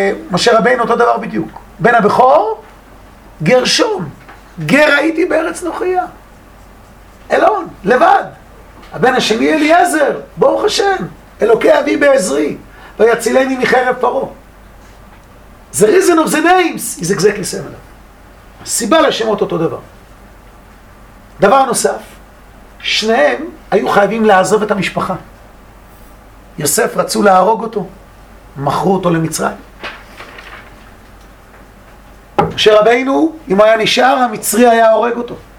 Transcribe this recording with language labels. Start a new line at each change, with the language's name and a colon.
Hebrew: משה רבינו, אותו דבר בדיוק. בן הבכור, גרשום. גר הייתי בארץ נוכריה. אלון, לבד. הבן השני אליעזר, ברוך השם. אלוקי אבי בעזרי, ויצילני מחרב פרעה.
English: The reason of the names is exactly similar.
Hebrew: הסיבה לשמות אותו דבר. דבר נוסף, שניהם היו חייבים לעזוב את המשפחה. יוסף רצו להרוג אותו, מכרו אותו למצרים. משה רבינו, אם היה נשאר, המצרי היה הורג אותו.